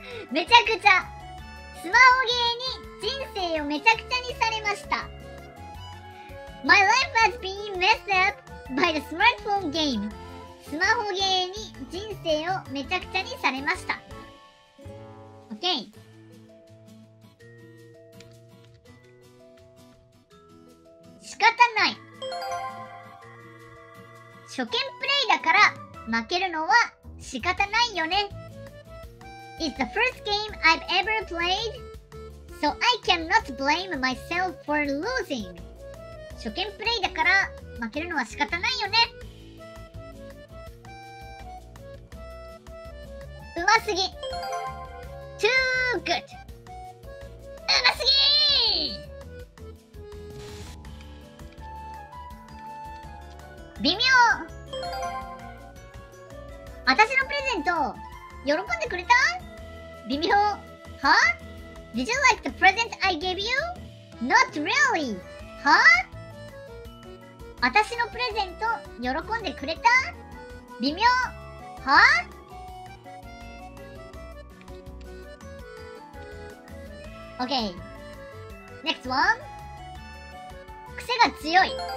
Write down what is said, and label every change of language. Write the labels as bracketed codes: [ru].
[ja] めちゃくちゃスマホゲーに人生をめちゃくちゃにされました。 [en] My life has been messed up by the smartphone game. [ja] スマホゲーに人生をめちゃくちゃにされました。 [en] OK。 [ja] 仕方ない。初見プレイだから負けるのは仕方ないよね。 [en] is the first game I've ever played, so I cannot blame myself for losing. [ja] 初見プレイだから負けるのは仕方ないよね。うますぎ。 [en] Too good。 [ja] うますぎ。微妙。私のプレゼント喜んでくれた？微妙。Huh? [en] Did you like the present I gave you? Not really. Huh? [ja] 私のプレゼント喜んでくれた？微妙。Huh? [en] Okay. Next one. [ja] 癖が強い。